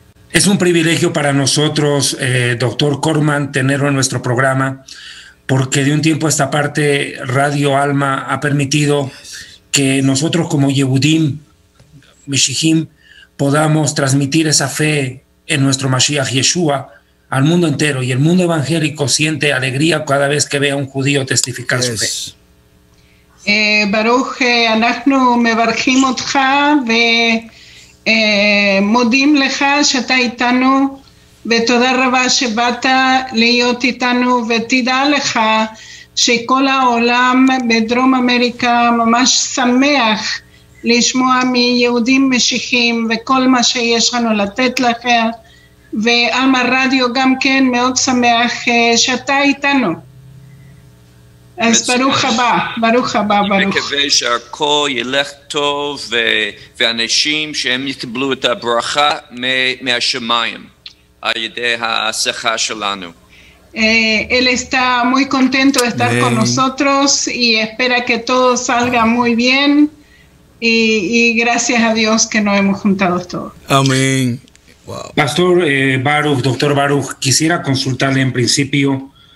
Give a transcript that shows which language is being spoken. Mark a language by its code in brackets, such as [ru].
[es] Es un privilegio para nosotros, doctor Korman, tenerlo en nuestro programa, porque de un tiempo a esta parte Radio Alma ha permitido que nosotros como Yehudim, Mishihim, podamos transmitir esa fe en nuestro Mashiach Yeshua al mundo entero, y el mundo evangélico siente alegría cada vez que ve a un judío testificar su fe. [he] Baruch, anachnu mevarchim otcha ve מודים לך שאתה איתנו ותודה רבה שבאת להיות איתנו ותדע לך שכל העולם בדרום אמריקה ממש שמח לשמוע מיהודים משיחים וכל מה שיש לנו לתת לך ואלמה רדיו גם כן מאוד שמח שאתה איתנו אז ברוך הבא, ברוך הבא, ברוך. אני מקווה שהכל ילך טוב ואנשים שהם יקבלו את הברכה מהשמיים על ידי השיחה שלנו. [es] Él está muy contento de estar con nosotros y espera que todo salga muy bien y gracias a Dios que nos hemos juntado todos. Amén. Wow. Pastor Baruch, doctor Baruch, quisiera consultarle en principio.